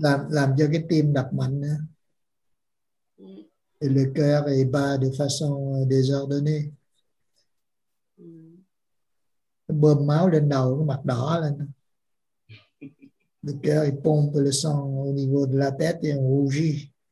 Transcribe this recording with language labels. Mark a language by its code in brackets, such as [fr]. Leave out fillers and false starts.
[vi] Làm cho cái tim đập mạnh nữa. [fr] Et le cœur est bas de façon désordonnée. [vi] Bơm máu lên đầu cái mặt đỏ lên. [fr] Le cœur il pompe le sang au niveau de la tête et on rougit.